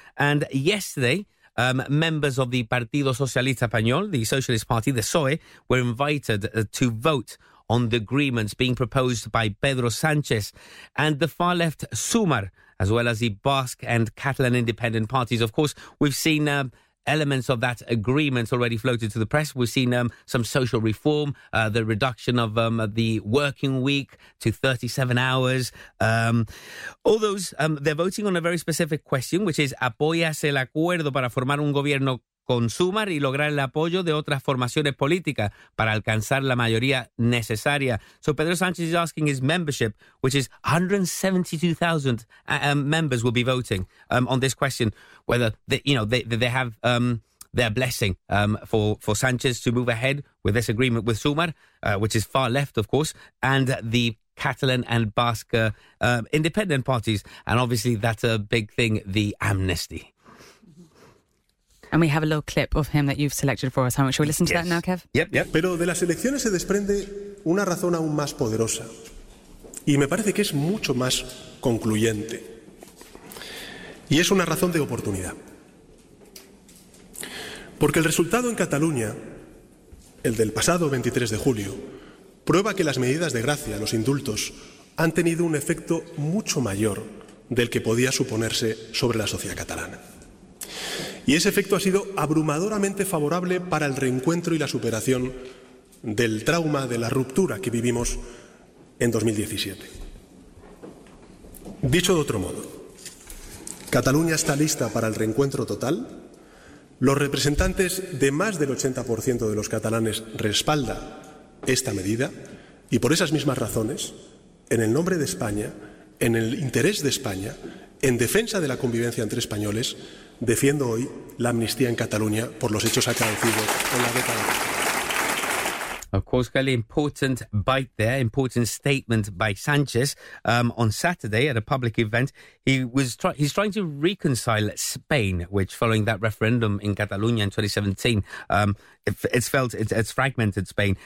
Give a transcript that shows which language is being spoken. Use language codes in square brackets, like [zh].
[en] And yesterday, members of the Partido Socialista Español, the Socialist Party, the PSOE, were invited to vote on the agreements being proposed by Pedro Sanchez and the far-left Sumar, as well as the Basque and Catalan independent parties. Of course, we've seen elements of that agreement already floated to the press. We've seen some social reform, the reduction of the working week to 37 hours. All those, they're voting on a very specific question, which is, [es] ¿apoyas el acuerdo para formar un gobierno con Sumar y lograr el apoyo de otras formaciones políticas para alcanzar la mayoría necesaria? [en] So Pedro Sánchez is asking his membership, which is 172,000 members will be voting on this question, whether they have their blessing for Sánchez to move ahead with this agreement with Sumar, which is far left, of course, and the Catalan and Basque independent parties. And obviously that's a big thing, the amnesty. And we have a little clip of him that you've selected for us. Shall we listen to that now, Kev? Yep. [es] Pero de las elecciones se desprende una razón aún más poderosa. Y me parece que es mucho más concluyente. Y es una razón de oportunidad. Porque el resultado en Cataluña, el del pasado 23 de julio, prueba que las medidas de gracia, los indultos, han tenido un efecto mucho mayor del que podía suponerse sobre la sociedad catalana. Y ese efecto ha sido abrumadoramente favorable para el reencuentro y la superación del trauma, de la ruptura que vivimos en 2017. Dicho de otro modo, Cataluña está lista para el reencuentro total. Los representantes de más del 80% de los catalanes respaldan esta medida y por esas mismas razones, en el nombre de España, en el interés de España, en defensa de la convivencia entre españoles, defiendo hoy la amnistía en Cataluña por los hechos acaecidos en la década. [en] Of course, Kelly, important bite there, important statement by Sanchez. On Saturday at a public event, he's trying to reconcile Spain, which following that referendum in Catalonia in 2017, it's fragmented Spain.